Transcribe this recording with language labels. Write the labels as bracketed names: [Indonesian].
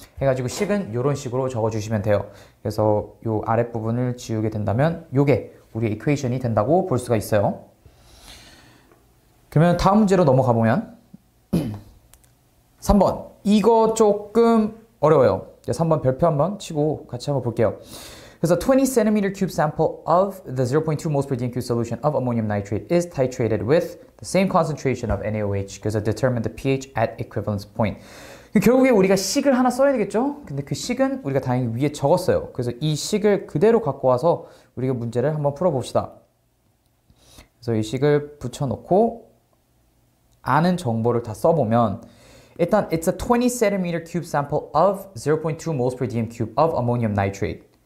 [Korean] 해가지고 식은 이런 식으로 적어주시면 돼요. 그래서 이 아랫부분을 지우게 된다면 요게 우리의 이퀘이션이 된다고 볼 수가 있어요. 그러면 다음 문제로 넘어가 보면 3번 이거 조금 어려워요. 3번 별표 한번 치고 같이 한번 볼게요. 그래서 [English] 20cm cube sample of the 0.2 moles per dmq solution of ammonium nitrate is titrated with the same concentration of NaOH. [Korean] 그래서 [English] determine the pH at equivalence point. [Korean] 결국에 우리가 식을 하나 써야 되겠죠? 근데 그 식은 우리가 다행히 위에 적었어요. 그래서 이 식을 그대로 갖고 와서 우리가 문제를 한번 풀어봅시다. 그래서 이 식을 붙여놓고 아는 정보를 다 써보면 일단 [English] it's a 20cm cube sample of 0.2 moles per dmq of ammonium nitrate.